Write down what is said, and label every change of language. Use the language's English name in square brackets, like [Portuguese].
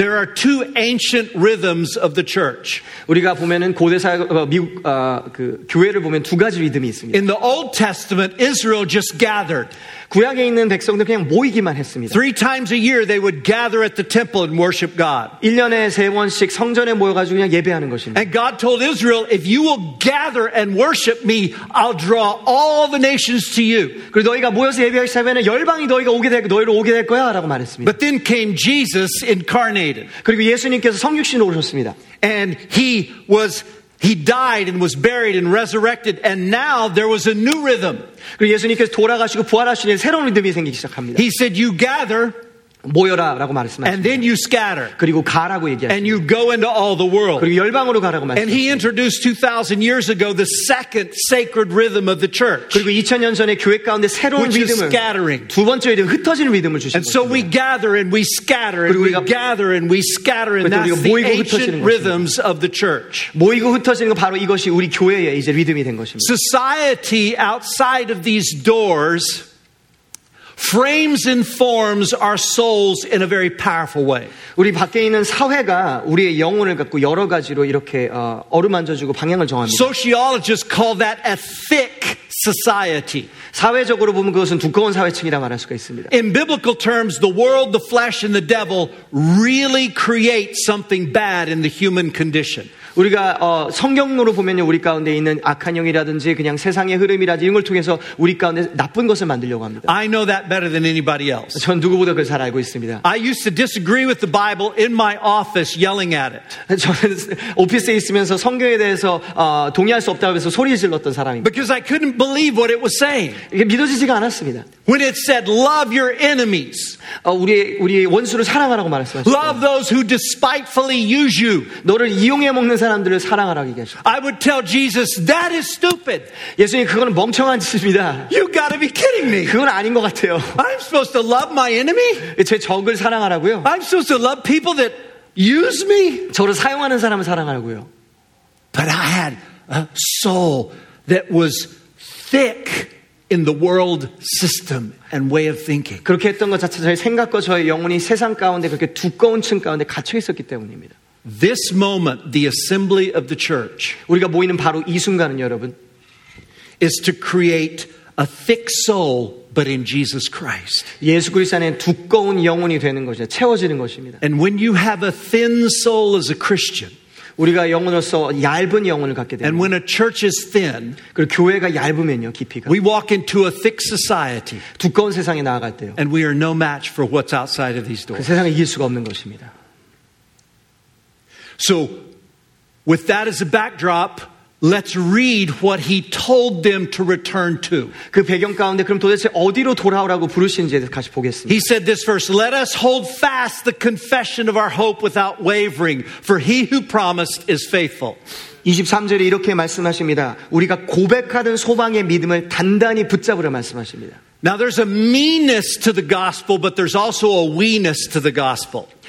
[English] There are two ancient rhythms of the church. [Korean] 우리가 보면은 고대 사 그 교회를 보면 두 가지 리듬이 있습니다. [English] In the Old Testament, Israel just gathered. [Korean] 구약에 있는 백성들 그냥 모이기만 했습니다. [English] Three times a year they would gather at the temple and worship God. [Korean] 1년에 세 번씩 성전에 모여 가지고 그냥 예배하는 것입니다. [English] And God told Israel, if you will gather and worship me, I'll draw all the nations to you. [Korean] 그리고 너희가 모여서 예배하기 시작하면 열방이 너희가 오게 될 너희로 오게 될 거야라고 말했습니다. [English] But then came Jesus incarnated. [Korean] 그리고 예수님께서 성육신으로 오셨습니다. [English] And he was He died and was buried and resurrected, and now there was a new rhythm. [Korean] 그리고 예수님께서 돌아가시고 부활하신 후에 새로운 리듬이 생기기 시작합니다. [English] He said, "You gather." [Korean] 모여라라고 말씀하시고 [English] And then you scatter. [Korean] 그리고 가라고 얘기하시고 [English] And you go into all the world. [Korean] 그리고 열방으로 가라고 말씀하시고 [English] And he introduced 2000 years ago the second sacred rhythm of the church. [Korean] 그리고 2000년 전에 교회 가운데 새로운 [English] which [Korean] 리듬을 [English] is scattering. [Korean] 두 번째 리듬 흩어지는 리듬을 주신 [English] And so we gather and we scatter and we gather and we scatter and that's the ancient rhythms of the church. [Korean] 모이고 흩어지는 거 바로 이것이 우리 교회의 이제 리듬이 된 것입니다. [English] Society outside of these doors frames and forms our souls in a very powerful way. [Korean] 우리 밖에 있는 사회가 우리의 영혼을 갖고 여러 가지로 이렇게 어루만져주고 방향을 정합니다. [English] Sociologists call that a thick society. [Korean] 사회적으로 보면 그것은 두꺼운 사회층이라 말할 수가 있습니다. [English] In biblical terms, the world, the flesh, and the devil really create something bad in the human condition. [Korean] 우리가 성경으로 보면요, 우리 가운데 있는 악한 영이라든지 그냥 세상의 흐름이라든지 이런 걸 통해서 우리 가운데 나쁜 것을 만들려고 합니다. [English] I know that better than anybody else. [Korean] 전 누구보다 그걸 잘 알고 있습니다. [English] I used to disagree with the Bible in my office, yelling at it. [Korean] 저는 오피스에 있으면서 성경에 대해서 동의할 수 없다고 해서 소리 질렀던 사람입니다. [English] Because I couldn't believe what it was saying. [Korean] 이게 믿어지지가 않았습니다. [English] When it said, "Love your enemies." [Korean] 우리 원수를 사랑하라고 말했습니다. [English] Love those who despitefully use you. [Korean] 너를 이용해 먹는 사람들을 사랑하라고 얘기하셨어요. [English] I would tell Jesus, "That is stupid." [Korean] 예수님, 그거는 멍청한 짓입니다. [English] You got to be kidding me. [Korean] 그건 아닌 것 같아요. [English] I'm supposed to love my enemy? [Korean] 제 적을 사랑하라고요? [English] I'm supposed to love people that use me? [Korean] 저를 사용하는 사람을 사랑하라고요? [English] But I had a soul that was thick. In the world system and way of thinking. [Korean] 그렇게 했던 것 자체 저의 생각과 저의 영혼이 세상 가운데 그렇게 두꺼운 층 가운데 갇혀 있었기 때문입니다. [English] This moment, the assembly of the church, [Korean] 우리가 모이는 바로 이 순간은 여러분, [English] is to create a thick soul, but in Jesus Christ. [Korean] 예수 그리스도 안에 두꺼운 영혼이 되는 것이죠, 채워지는 것입니다. [English] And when you have a thin soul as a Christian. [Korean] 우리가 영혼으로서 얇은 영혼을 갖게 됩니다. [English] And when a church is thin, [Korean] 그리고 교회가 얇으면요, 깊이가. [English] We walk into a thick society. [Korean] 두꺼운 세상에 나아갈 때요. [English] And we are no match for what's outside of these doors. [Korean] 그 세상에 이길 수가 없는 것입니다. [English] So, with that as a backdrop, let's read what he told them to return to. [Korean] 그 배경 가운데 그럼 도대체 어디로 돌아오라고 부르시는지 다시 보겠습니다. [English] He said this verse, "Let us hold fast the confession of our hope without wavering, for he who promised is faithful." [Korean] 23절에 이렇게 말씀하십니다. 우리가 고백하던 소망의 믿음을 단단히 붙잡으라 말씀하십니다. [English] Now there's a meanness to the gospel, but there's also a weeness to the gospel.